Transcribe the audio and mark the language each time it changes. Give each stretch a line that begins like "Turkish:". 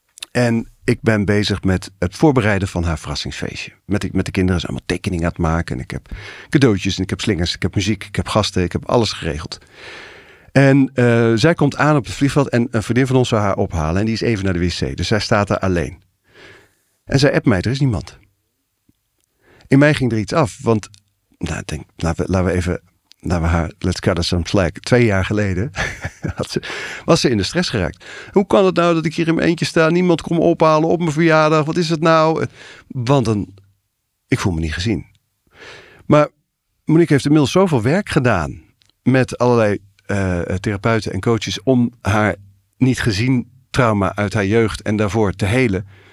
Dutch: En ik ben bezig met het voorbereiden van haar verrassingsfeestje. Met de kinderen is allemaal tekeningen aan het maken. En ik heb cadeautjes en ik heb slingers. Ik heb muziek. Ik heb gasten. Ik heb alles geregeld. En zij komt aan op het vliegveld. En een vriendin van ons zou haar ophalen. En die is even naar de wc. Dus zij staat daar alleen. En zij appt mij. Er is niemand. In mij ging er iets af. Want
English: let's cut us some slack.
Dutch: 2 jaar geleden was ze in de stress geraakt. Hoe kan het nou dat ik hier in mijn eentje sta? Niemand komt me ophalen op mijn verjaardag. Wat is het nou? Want ik voel me niet gezien. Maar Monique heeft inmiddels zoveel werk gedaan met allerlei therapeuten en coaches om haar niet gezien trauma uit haar jeugd en daarvoor te helen.